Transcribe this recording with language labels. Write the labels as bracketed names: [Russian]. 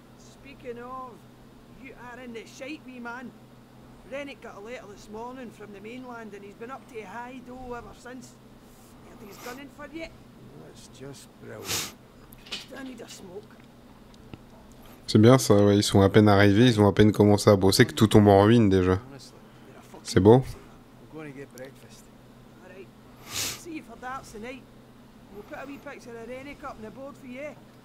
[English] Speaking of, you are in the shite, wee man. Rennick got a letter this morning from the mainland and he's been up to Hydo ever since. Heard he's gunning for you. That's just brilliant. I need a smoke. [French] C'est bien ça, ouais, ils sont à peine arrivés, ils ont à peine commencé à bosser que tout tombe en ruine déjà. C'est beau. [English] We're going to get breakfast. Alright. See you for that tonight. We'll put a wee picture of Rennick up on the board for you.